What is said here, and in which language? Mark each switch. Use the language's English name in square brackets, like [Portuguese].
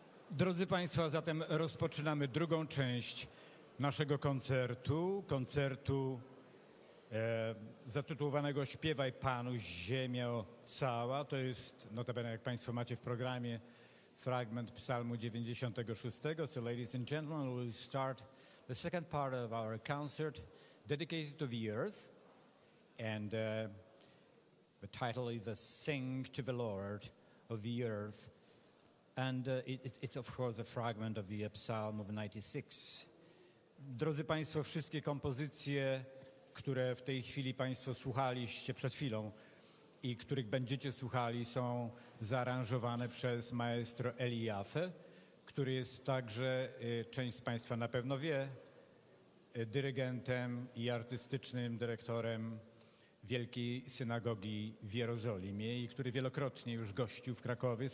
[Polish] Drodzy państwo, zatem rozpoczynamy drugą część naszego koncertu, zatytułowanego Śpiewaj Panu Ziemio Cała. To jest notabene, jak państwo macie w programie, fragment Psalmu 96. [English] So, ladies and gentlemen, we'll start the second part of our concert dedicated to the earth. And the title is a Sing to the Lord of the Earth. And it's of course a fragment of the Psalm of 96. [Polish] Drodzy Państwo, wszystkie kompozycje, które w tej chwili Państwo słuchaliście przed chwilą i których będziecie słuchali, są zaaranżowane przez maestro Eli Jaffe, który jest także, część z Państwa na pewno wie, dyrygentem i artystycznym dyrektorem Wielkiej Synagogi w Jerozolimie i który wielokrotnie już gościł w Krakowie.